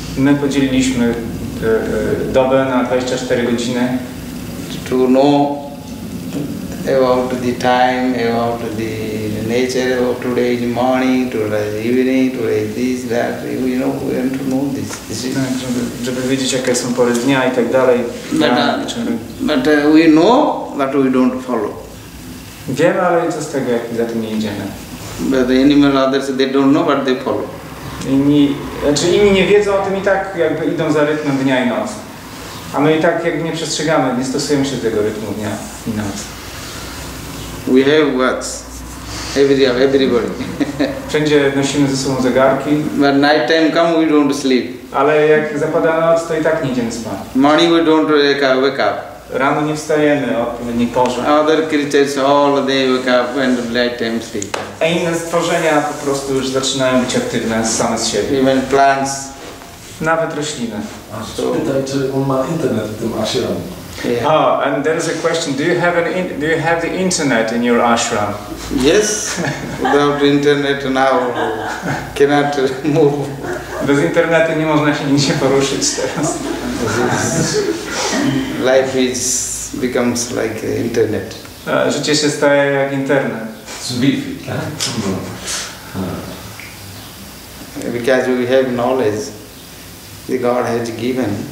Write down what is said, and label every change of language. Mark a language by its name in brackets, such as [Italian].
[Polish] My podzieliliśmy dobę na 24 godziny. [English] To know about the time, about the nature of today's morning, today's evening, today's this, that, you know, we want to know this. This is [Polish] żeby wiedzieć, jakie są pory dnia i tak dalej. [English] But we know, but we don't follow. [Polish] Wiemy, ale co z tego, jak za tym nie idziemy? [English] But the animal others, they don't know, but they follow. [Polish] Inni nie wiedzą o tym i tak jakby idą za rytmem dnia i nocy. A my i tak jakby nie przestrzegamy, nie stosujemy się do tego rytmu dnia i nocy. [English] We have watch. Everybody. [Polish] Wszędzie nosimy ze sobą zegarki. [English] But night time come, we don't sleep. [Polish] Ale jak zapada noc, to i tak nie idziemy spać. [English] Morning we don't wake up. [Polish] Rano nie wstajemy o odpowiedniej porze. [English] Other creatures all day wake up and night time sleep. [Polish] A inne stworzenia po prostu już zaczynają być aktywne same z siebie. [English] Even plants. [Polish] Nawet rośliny. Pytaj, czy on ma internet w tym ashram. [English] Yeah. Oh, and there is a question. Do you have the internet in your ashram? Yes. Without internet now, cannot move. [Polish] Bez internetu nie można się nigdzie poruszyć teraz. [English] Life is becomes like internet. [Polish] Życie się staje jak internet. Z Wi-Fi, tak? [English] Because we have knowledge the God has given.